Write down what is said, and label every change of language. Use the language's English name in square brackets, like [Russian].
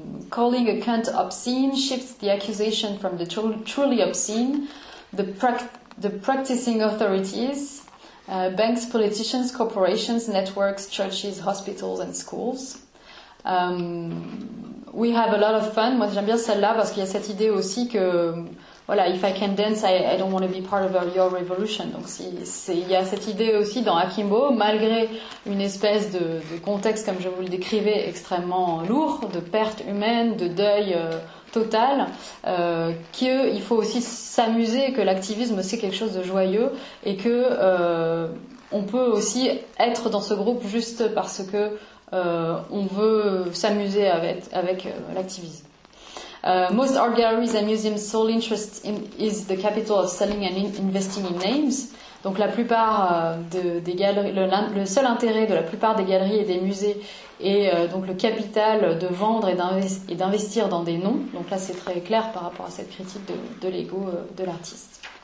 [English] Calling a cunt obscene shifts the accusation from the truly obscene, the practicing authorities, banks, politicians, corporations, networks, churches, hospitals and schools. We have a lot of fun. [French] Moi, j'aime bien celle-là parce qu'il y a cette idée aussi que, voilà, [English] if I can dance, I don't want to be part of your revolution. [French] Donc, il y a cette idée aussi dans Akimbo, malgré une espèce de contexte, comme je vous le décrivais, extrêmement lourd, de perte humaine, de deuil total, qu'il faut aussi s'amuser, que l'activisme, c'est quelque chose de joyeux et que on peut aussi être dans ce groupe juste parce que on veut s'amuser avec l'activisme. [English] Most art galleries and museums' sole interest is the capital of selling and investing in names. [French] Donc la plupart des galeries, le seul intérêt de la plupart des galeries et des musées est donc le capital de vendre et d'investir dans des noms. Donc là, c'est très clair par rapport à cette critique de l'ego de l'artiste.